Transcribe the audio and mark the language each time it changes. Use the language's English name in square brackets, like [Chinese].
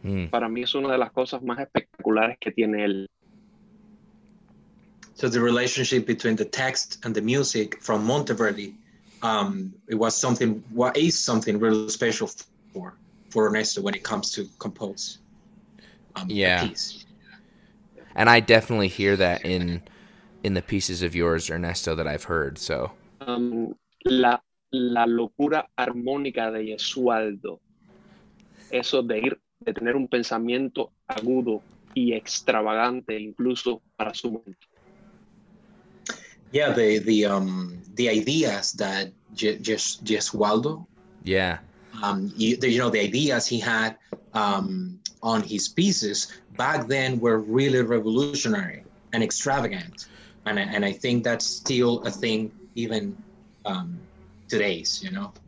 [Spanish] Para mí es una de las cosas más espectaculares que tiene él. [English] So the relationship between the text and the music from Monteverdi, is something really special for Ernesto when it comes to compose. Yeah. And I definitely hear that in the pieces of yours, Ernesto, that I've heard. So [Spanish] la locura armónica de Gesualdo, eso de tener un pensamiento agudo y extravagante incluso para su momento. [English] Yeah, the ideas that Gesualdo, the ideas he had on his pieces back then were really revolutionary and extravagant, and I think that's still a thing even today's, you know.